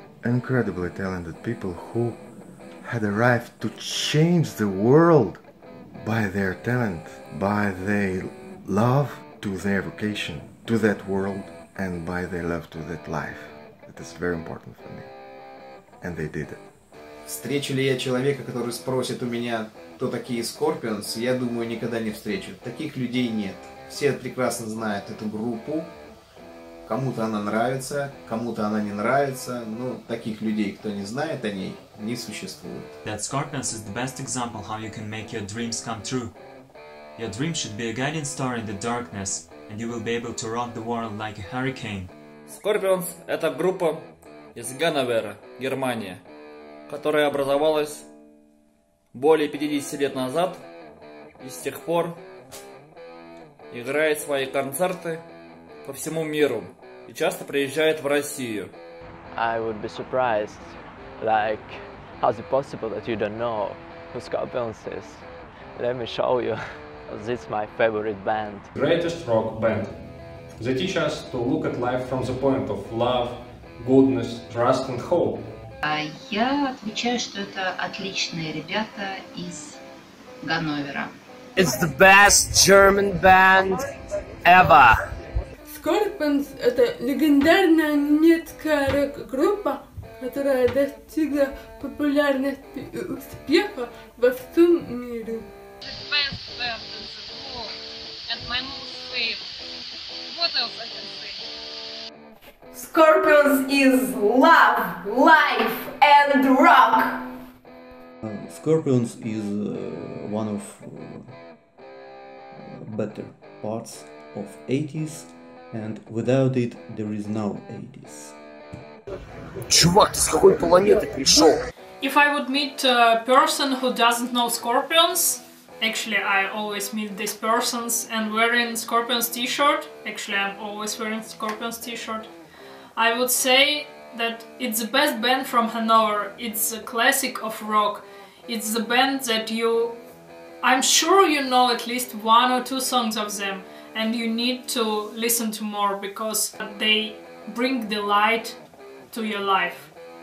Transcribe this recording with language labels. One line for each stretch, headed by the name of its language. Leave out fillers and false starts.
English: Incredibly talented people who had arrived to change the world by their talent, by their love to their vocation, to that world, and by their love to that life. It is very important for me. And they did it.
Russian: Встречу ли я человека, который спросит у меня, кто такие Scorpions, я думаю, никогда не встречу. Таких людей нет. Все прекрасно знают эту группу. Кому-то она нравится, кому-то она не нравится. Но таких людей, кто не знает о ней, не существует.
English: That Scorpions is the best example how you can make your dreams come true. Your dream should be a guiding star in the darkness, and you will be able to rock the world like a hurricane.
Russian: Scorpions — это группа из Ганновера, Германия, которая образовалась более 50 лет назад и с тех пор играет свои концерты по всему миру и часто приезжает в Россию.
English: I would be surprised, like, how is it possible that you don't know who Scorpions is? Let me show you, this is my favorite band. Greatest rock band. They teach us to look at life from the point of love, goodness, trust and hope.
Russian: Я отвечаю, что это отличные ребята из Ганновера.
English: It's the best German band ever.
Russian: Scorpions — это легендарная немецкая рок-группа, которая достигла популярности и успеха во всем мире.
English: The best band in the world and my most favorite. Scorpions is love, life and rock. Scorpions is one of better parts of 80s, and without it there is no 80s.
Russian: Чувак, ты с какой планеты пришёл?
English: If I would meet a person who doesn't know Scorpions, actually I always meet these persons and wearing Scorpions t-shirt, actually I'm always wearing Scorpions t-shirt, I would say that it's the best band from Hanover, it's a classic of rock, it's the band that you, I'm sure you know at least one or two songs of them, and you need to listen to more because they bring the light to your life.